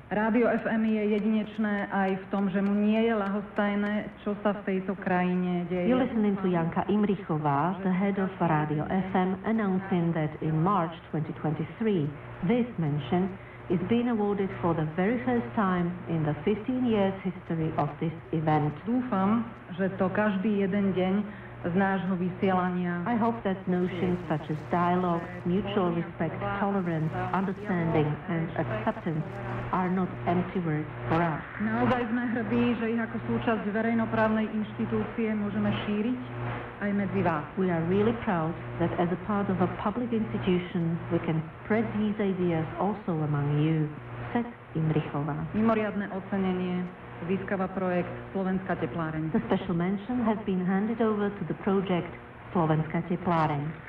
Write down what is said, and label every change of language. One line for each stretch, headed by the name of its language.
Slovak: Rádio FM je jedinečné aj v tom, že mu nie je ľahostajné, čo sa v tejto krajine deje.
English: You're listening to Janka Imrichová, the head of Radio FM, announcing that in March 2023, this mention is being awarded for the very first time in the 15 years history of this event.
Slovak: Dúfam, že to každý jeden deň z nášho vysielania.
English: I hope that notions such as dialogue, mutual respect, tolerance, understanding and acceptance are not empty words for us.
Slovak: Naozaj sme hrdí, že ich ako súčasť verejnoprávnej inštitúcie môžeme šíriť aj medzi vás.
English: We are really proud that as a part of a public institution we can spread these ideas also among you. Seth Imrichová.
Slovak: Mimoriadne ocenenie získava projekt Slovenská tepláreň.
English: The special mention has been handed over to the project Slovenská tepláreň.